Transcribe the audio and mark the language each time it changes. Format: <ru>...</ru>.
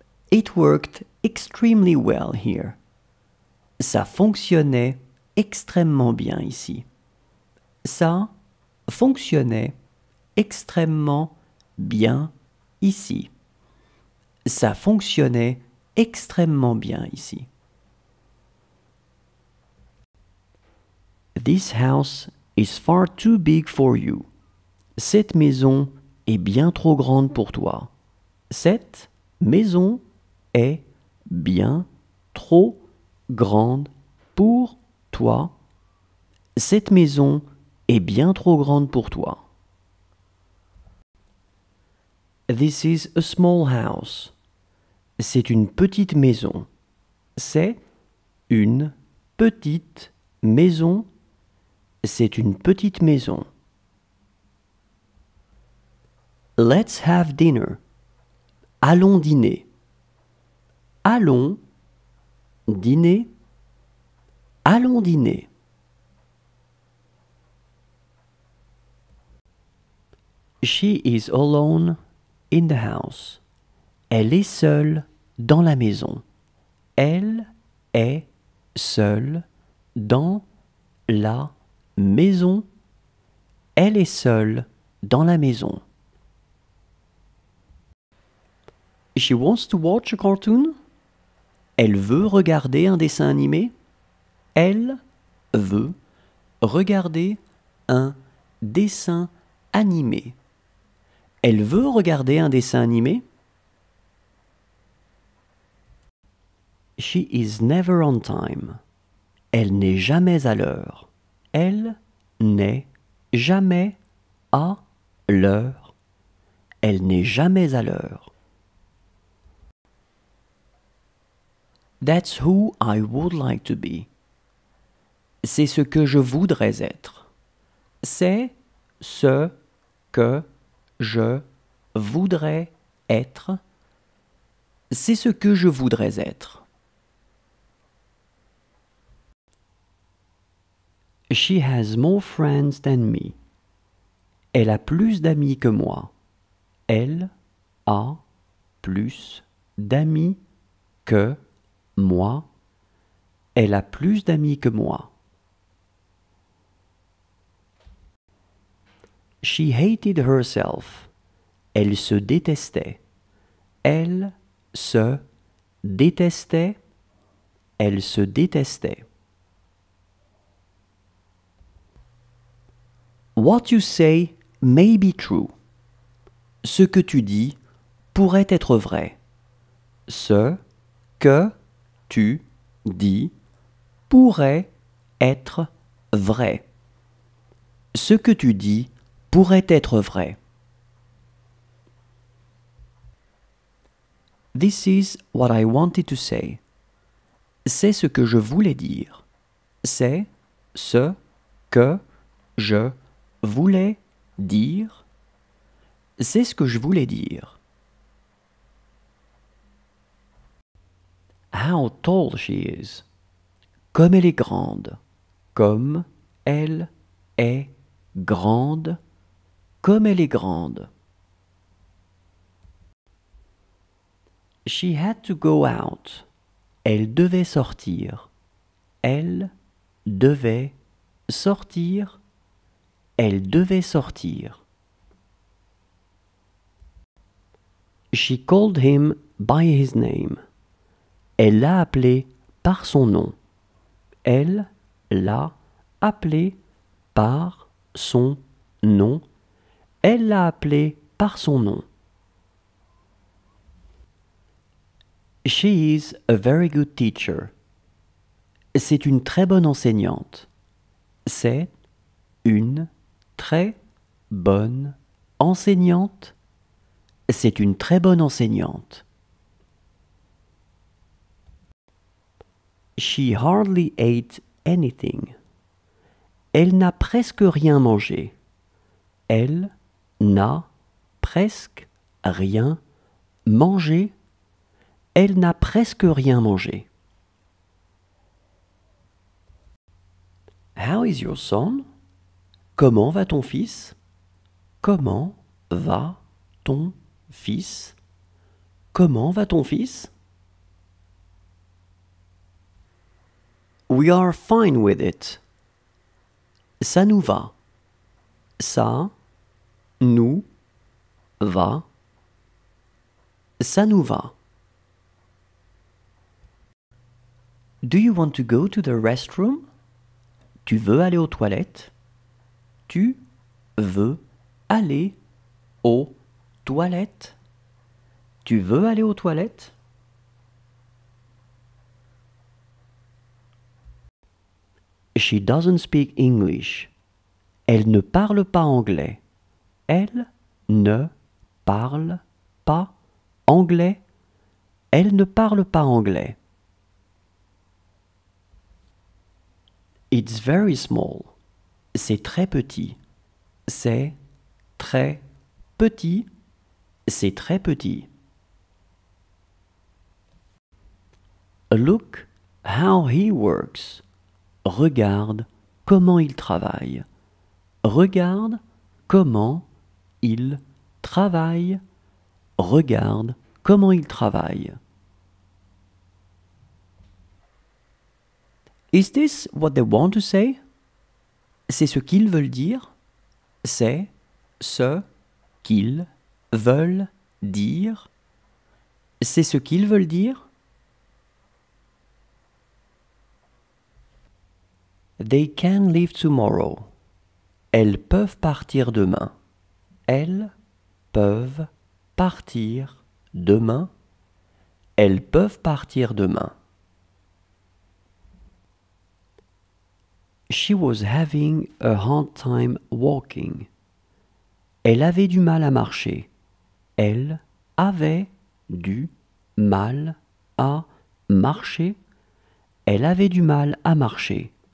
<en>It worked extremely well here.</en> <fr>Ça fonctionnait extrêmement bien ici. Ça fonctionnait extrêmement bien ici. Ça fonctionnait extrêmement bien ici.</fr> <en>This house is far too big for you.</en> <fr>Cette maison est bien trop grande pour toi. Cette maison est bien trop grande pour toi. Cette maison est bien trop grande pour toi.</fr> <en>This is a small house.</en> <fr>C'est une petite maison. C'est une petite maison. C'est une petite maison.</fr> <en>Let's have dinner.</en> <fr>Allons dîner. Allons dîner. Allons dîner.</fr> <en>She is alone in the house.</en> <fr>Elle est seule dans la maison. Elle est seule dans la maison. Elle est seule dans la maison.</fr> <en>She wants to watch a cartoon.</en> <fr>Elle veut regarder un dessin animé. Elle veut regarder un dessin animé. Elle veut regarder un dessin animé.</fr> <en>She is never on time.</en> <fr>Elle n'est jamais à l'heure. Elle n'est jamais à l'heure. Elle n'est jamais à l'heure.</fr> <en>That's who I would like to be.</en> <fr>C'est ce que je voudrais être. C'est ce que je voudrais être. C'est ce que je voudrais être.</fr> <en>She has more friends than me.</en> <fr>Elle a plus d'amis que moi. Elle a plus d'amis que moi. Elle a plus d'amis que moi.</fr> <en>She hated herself.</en> <fr>Elle se détestait. Elle se détestait. Elle se détestait.</fr> <en>What you say may be true.</en> <fr>Ce que tu dis pourrait être vrai. Ce que tu dis pourrait être vrai. Ce que tu dis pourrait être vrai.</fr> <en>This is what I wanted to say.</en> <fr>C'est ce que je voulais dire. C'est ce que je voulais dire. C'est ce que je voulais dire.</fr> <en>How tall she is.</en> <fr>Comme elle est grande. Comme elle est grande. Comme elle est grande.</fr> <en>She had to go out.</en> <fr>Elle devait sortir. Elle devait sortir. Elle devait sortir.</fr> <en>She called him by his name.</en> <fr>Elle l'a appelé par son nom. Elle l'a appelé par son nom. Elle l'a appelé par son nom.</fr> <en>She is a very good teacher.</en> <fr>C'est une très bonne enseignante. C'est une très bonne enseignante. C'est une très bonne enseignante.</fr> <en>She hardly ate anything.</en> <fr>Elle n'a presque rien mangé. Elle n'a presque rien mangé. Elle n'a presque rien mangé.</fr> <en>How is your son?</en> <fr>Comment va ton fils? Comment va ton fils? Comment va ton fils?</fr> <en>We are fine with it.</en> <fr>Ça nous va. Ça nous va. Ça nous va.</fr> <en>Do you want to go to the restroom?</en> <fr>Tu veux aller aux toilettes? Tu veux aller aux toilettes? Tu veux aller aux toilettes?</fr> <en>She doesn't speak English.</en> <fr>Elle ne parle pas anglais. Elle ne parle pas anglais. Elle ne parle pas anglais.</fr> <en>It's very small.</en> <fr>C'est très petit. C'est très petit. C'est très petit.</fr> <en>Look how he works.</en> <fr>Regarde comment il travaille. Regarde comment il travaille. Regarde comment il travaille.</fr> <en>Is this what they want to say?</en> <fr>C'est ce qu'ils veulent dire? C'est ce qu'ils veulent dire? C'est ce qu'ils veulent dire?</fr> <en>They can leave tomorrow.</en> <fr>Elles peuvent partir demain. Elles peuvent partir demain. Elles peuvent partir demain.</fr> <en>She was having a hard time walking.</en> <fr>Elle avait du mal à marcher. Elle avait du mal à marcher. Elle avait du mal à marcher.</fr>